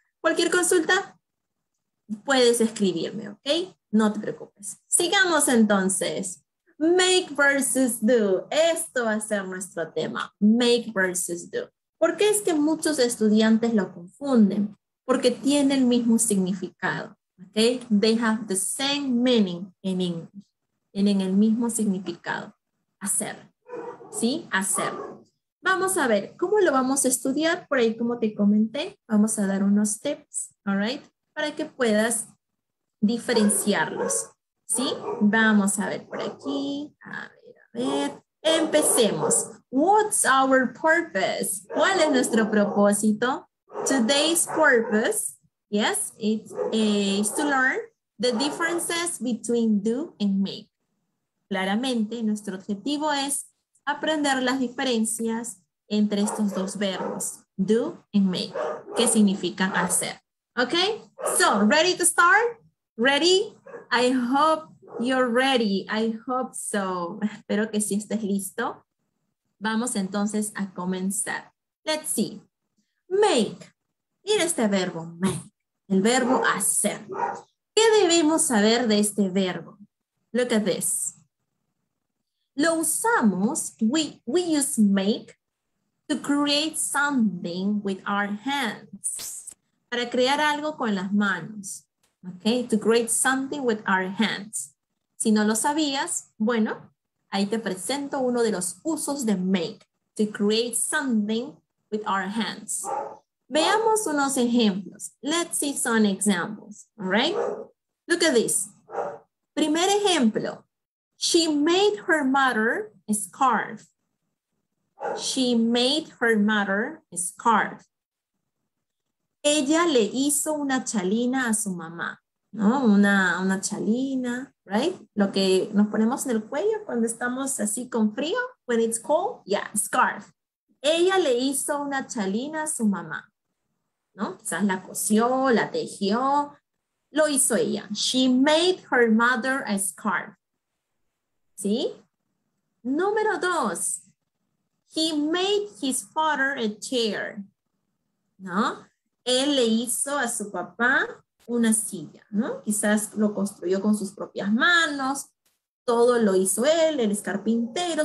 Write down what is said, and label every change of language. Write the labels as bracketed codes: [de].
[es] Cualquier consulta, puedes escribirme, ¿ok? No te preocupes. Sigamos entonces. Make versus do. Esto va a ser nuestro tema. Make versus do. ¿Por qué es que muchos estudiantes lo confunden? Porque tiene el mismo significado, ¿ok? [en] They have the same meaning in English. [es] Tienen el mismo significado. Hacer. ¿Sí? Hacer. Vamos a ver, ¿cómo lo vamos a estudiar? Por ahí, como te comenté, vamos a dar unos tips, [en] ¿all right? [es] Para que puedas diferenciarlos, ¿sí? Vamos a ver por aquí, a ver. Empecemos. [en] What's our purpose? [es] ¿Cuál es nuestro propósito? [en] Today's purpose, yes, it's to learn the differences between do and make. [es] Claramente, nuestro objetivo es aprender las diferencias entre estos dos verbos, do and make, que significan hacer. [en] ¿Ok? So, ready to start? Ready? I hope you're ready. I hope so. [es] Espero que sí estés listo. Vamos entonces a comenzar. [en] Let's see. [es] Make. Mira este verbo, make. El verbo hacer. ¿Qué debemos saber de este verbo? [en] Look at this. [es] Lo usamos, [en] we use make to create something with our hands. [es] Para crear algo con las manos. [en] Ok, to create something with our hands. [es] Si no lo sabías, bueno, ahí te presento uno de los usos de make. [en] To create something with our hands. [es] Veamos unos ejemplos. [en] Let's see some examples. All right? Look at this. [es] Primer ejemplo. [en] She made her mother a scarf. She made her mother a scarf. [es] Ella le hizo una chalina a su mamá, ¿no? Una chalina, [en] right? [es] Lo que nos ponemos en el cuello cuando estamos así con frío, [en] when it's cold, yeah, [es] scarf. Ella le hizo una chalina a su mamá, ¿no? Quizás la cosió, la tejió, lo hizo ella. [en] She made her mother a scarf. ¿Sí? [es] Número dos. [en] He made his father a chair. [es] ¿No? Él le hizo a su papá una silla, ¿no? Quizás lo construyó con sus propias manos. Todo lo hizo él, el carpintero.